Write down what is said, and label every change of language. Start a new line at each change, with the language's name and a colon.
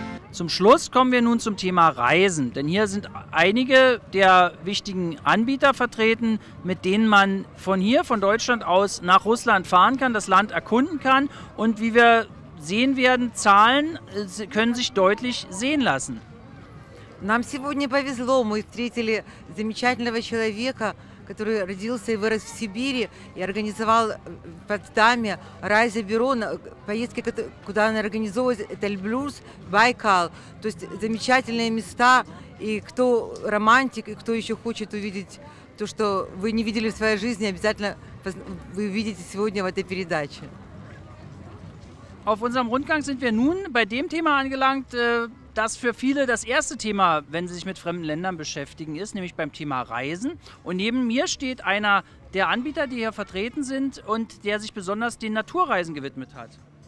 German: Zum Schluss kommen wir nun zum Thema Reisen, denn hier sind einige der wichtigen Anbieter vertreten, mit denen man von hier, von Deutschland aus nach Russland fahren kann, das Land erkunden kann und wie wir sehen werden, Zahlen können sich deutlich sehen lassen.
Russian: Нам сегодня повезло, мы встретили замечательного человека, который родился и вырос в Сибири и организовал в Потсдаме райзе-бюро поездки, куда он организовывает, это Эльбрус, Байкал. То есть замечательные места, и кто романтик, и кто еще хочет увидеть то, что вы не видели в своей жизни, обязательно вы увидите сегодня в этой передаче.
German: Auf unserem Rundgang sind wir nun bei dem Thema angelangt, das für viele das erste Thema, wenn sie sich mit fremden Ländern beschäftigen, ist, nämlich beim Thema Reisen. Und neben mir steht einer der Anbieter, die hier vertreten sind und der sich besonders den Naturreisen gewidmet hat.